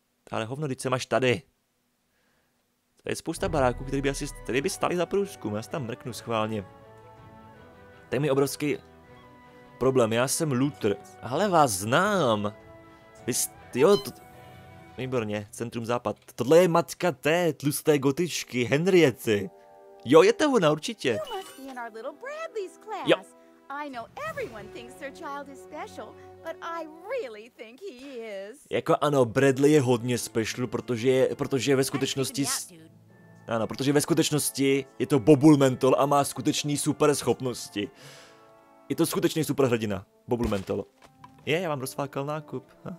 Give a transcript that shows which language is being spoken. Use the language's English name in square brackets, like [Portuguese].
[Czech] Ale hovno, když jsem až tady. To je spousta baráků, který by stali za průzkum. Já se tam mrknu schválně. To je mi obrovský problém. Já jsem Luther. Ale vás znám. Výborně, Centrum Západ. Tohle je matka té tlusté gotičky, Henriety. Jo, je to ona, určitě. [English] in our little Bradley's class. Yep. I know everyone thinks their child is special, but I really think he is. [Czech] Jako ano, Bradley je hodně special, protože ve skutečnosti... Ano, protože ve skutečnosti je to Bobul Mentol a má skutečný super schopnosti. Je to skutečný super hrdina, Bobul Mentol. Je, já vám rozfákal nákup.